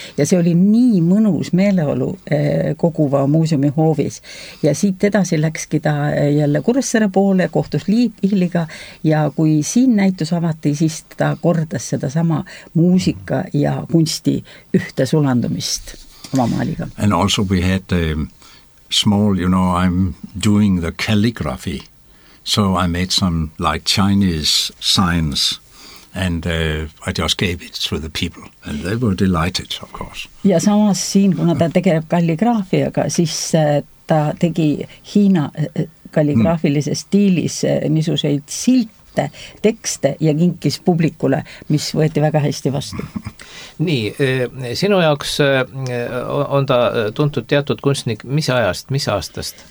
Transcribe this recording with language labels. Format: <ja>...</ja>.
<et>Ja see oli nii mõnus meeleolu Koguva muuseumi hoovis. Ja siit edasi läkski ta jälle Kuressere poole, kohtus Liiviliga ja kui siin näitus avati, siis ta kordas seda sama muusika ja kunsti ühte sulandumist. omamaaliga.</et> <en>And also we had a small, you know, I'm doing the calligraphy. So I made some like Chinese signs and I just gave it to the people and they were delighted, of course.</en> <et>Ja samas siin, kuna ta tegeleb kalligraafiaga, siis ta tegi Hiina kalligraafilises stiilis niisuseid silte, tekste ja kinkis publikule, mis võeti väga hästi vastu. Nii, sinu jaoks on ta tuntud teatud kunstnik, mis ajast, mis aastast?</et>